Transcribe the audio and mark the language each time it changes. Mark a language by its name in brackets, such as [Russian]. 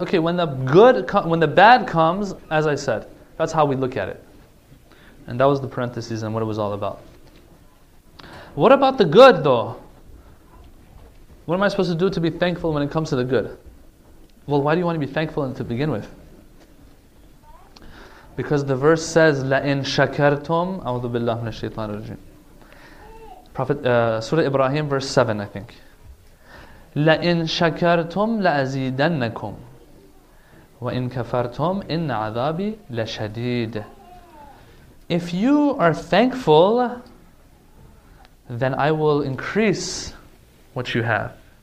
[English] Okay, when the bad comes, as I said, that's how we look at it. And that was the parenthesis and what it was all about. What about the good, though? What am I supposed to do to be thankful when it comes to the good? Well, why do you want to be thankful to begin with? Because the verse says, [Arabic] لَإِن شَكَرْتُمْ أَعُوذُ بِاللَّهِ مِنَ الشَّيْطَانِ الرَّجِيمِ. [English] Surah Ibrahim, verse 7, I think. [Arabic] لَإِن شَكَرْتُمْ لَأَزِيدَنَّكُمْ وَإِن كَفَرْتُمْ إِنَّ عَذَابِي لَشَدِيدٌ. [English] If you are thankful, then I will increase what you have.